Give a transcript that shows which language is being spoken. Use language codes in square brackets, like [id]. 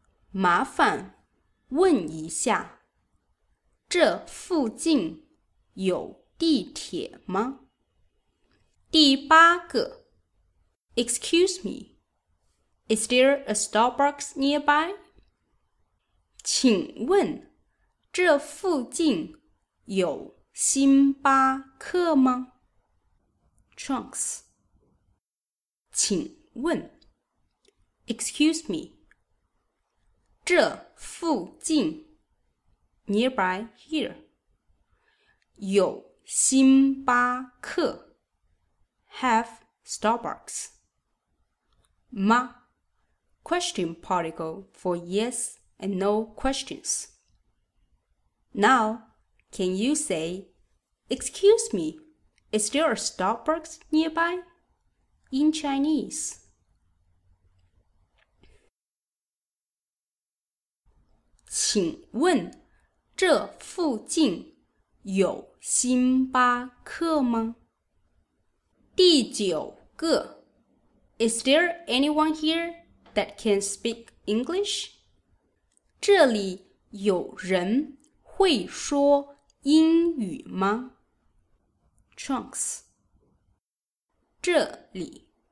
[zh] 麻烦问一下这附近有地铁吗？第八个 [en] ，Excuse me, is there a Starbucks nearby? [zh] 请问这附近有星巴克吗 [en] ？Trunks， [zh] 请问 [en] ，Excuse me， [zh] 这附近 [en] ，nearby here。 [zh] 有星巴克 [en] have Starbucks [zh] 吗 [en] question particle for yes and no questions now can you say excuse me is there a Starbucks nearby in Chinese [zh] 请问这附近有星巴克吗？第九个 [en] Is there anyone here that can speak English? [zh] 这里有人会说英语吗 [en] ？Trunks [zh] 这里